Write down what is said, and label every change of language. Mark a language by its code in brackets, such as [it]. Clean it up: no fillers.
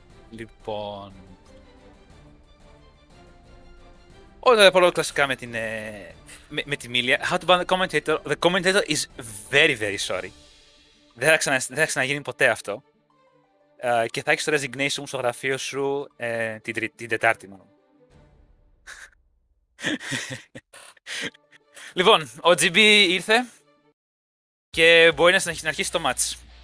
[el] Λοιπόν... Όταν πω λόγω κλασικά με την... Με τη Μίλια. [en] How to ban the commentator. The commentator is very very sorry. [el] Δεν θα ξαναγίνει ποτέ αυτό. Και θα έχεις το resignation στο γραφείο σου την Τετάρτη μόνο. Λοιπόν, ο GB ήρθε και μπορεί να αρχίσει το match.